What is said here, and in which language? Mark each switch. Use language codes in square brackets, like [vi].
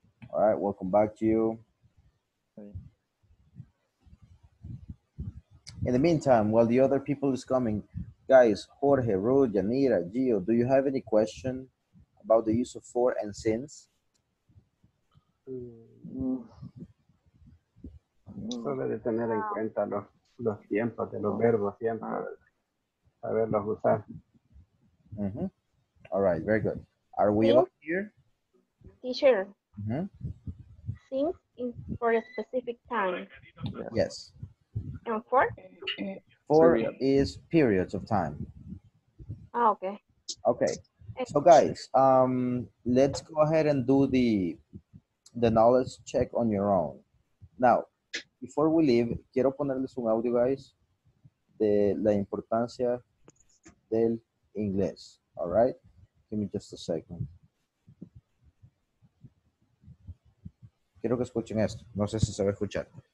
[en] All right, welcome back to you. In the meantime, while the other people is coming, guys, Jorge, Ruth, Janita, Gio, do you have any question about the use of for and since? [es] Solo de tener en cuenta los tiempos de los verbos siempre, saberlos usar. [en] Mm-hmm. All right, very good. Are we all here? Teacher. Mm-hmm. Since is for a specific time. Yes. And four? Four is periods of time. Oh, okay. Okay. So guys, let's go ahead and do the knowledge check on your own. Now, before we leave, [es] quiero ponerles un audio, guys, de la importancia del inglés. [en] All right? Give me just a second. [es] Quiero que escuchen esto. No sé si se va a escuchar.